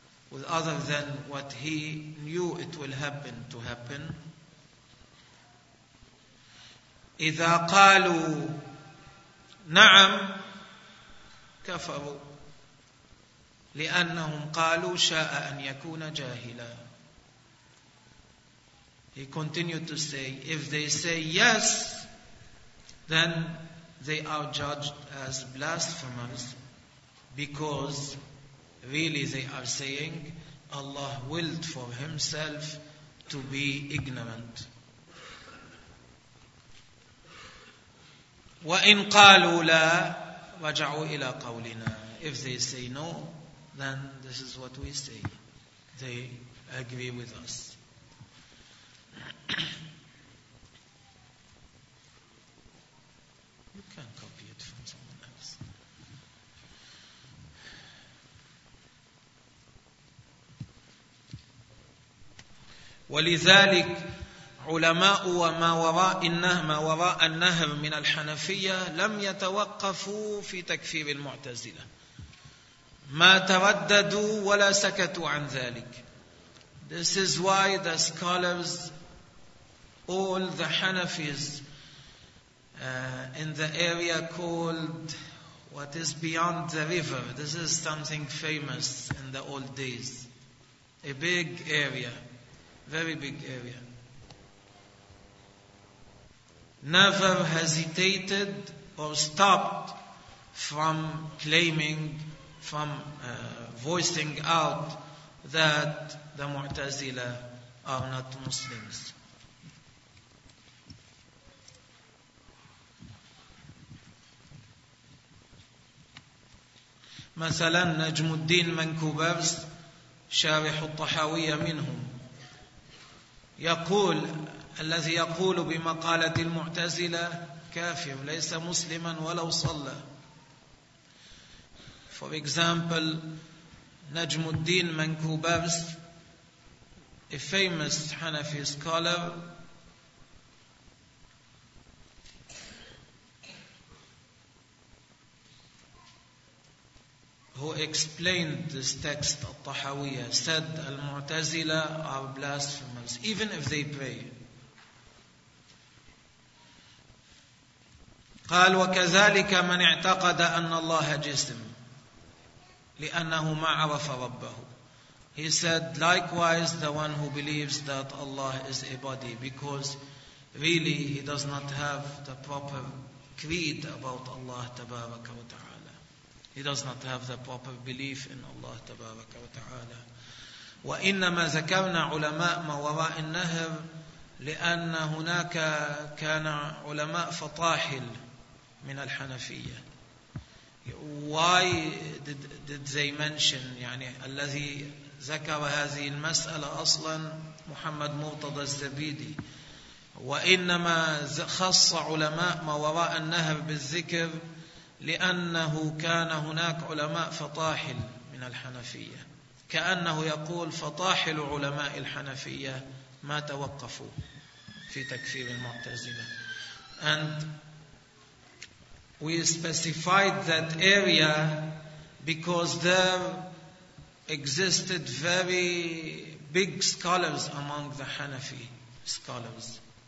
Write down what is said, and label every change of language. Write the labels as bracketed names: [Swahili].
[English] With other than what He knew it will happen to happen? [Arabic] إذا قالوا نعم كفروا لأنهم قالوا شاء أن يكون جاهلا. [English] He continued to say, if they say yes, then they are judged as blasphemers because really they are saying Allah willed for Himself to be ignorant. [Arabic] وَإِنْ قَالُوا لَا رَجَعُوا إِلَىٰ قَوْلِنَا. [English] If they say no, then this is what we say. They agree with us. You can copy it from someone else. [Arabic] ولذلك علماء وما وراء النهم وراء النهم من الحنفية لم يتوقفوا في تكفير المعتزلة، ما ترددوا ولا سكتوا عن ذلك. [English] This is why the scholars, all the Hanafis in the area called what is beyond the river. This is something famous in the old days. A big area, very big area. Never hesitated or stopped from claiming, from voicing out that the Mu'tazila are not Muslims. [Arabic] مثلا نجم الدين منكوبرس شارح الطحاوية منهم يقول، الذي يقول بمقالة المعتزلة كافر ليس مسلما ولو صلى. [English] For example, نجم الدين منكوبرس, a famous Hanafi scholar, who explained this text al-Tahawiyyah, said al-Mu'tazila are blasphemers even if they pray. [Arabic] قال وكذلك من اعتقد أن الله جسم لأنه ما عرف ربه. [English] He said likewise the one who believes that Allah is a body because really he does not have the proper creed about Allah [Arabic] تبارك وتعالى. [English] He does not have the proper belief in Allah Tabaraka wa Ta'ala. [Arabic] وَإِنَّمَا ذَكَرْنَا عُلَمَاءَ مَا وَرَاءِ النَّهْرِ لِأَنَّ هُنَاكَ كَانَ عُلَمَاءَ فَطَاحِلٍ مِنَ الْحَنَفِيَّةِ. [English] Why did they mention, [Arabic] يعني الذي ذكر هذه المسألة أصلا محمد مرتضى الزبيدي. وَإِنَّمَا خَصَّ عُلَمَاءَ مَا وَرَاءَ النَّهْرِ بِالذِّكْرِ لأنه كان هناك علماء فطاحل من الحنفية، كأنه يقول فطاحل علماء الحنفية ما توقفوا في تكفير المعتزلة. [English] And we specified that area because there existed very big scholars among the Hanafi scholars.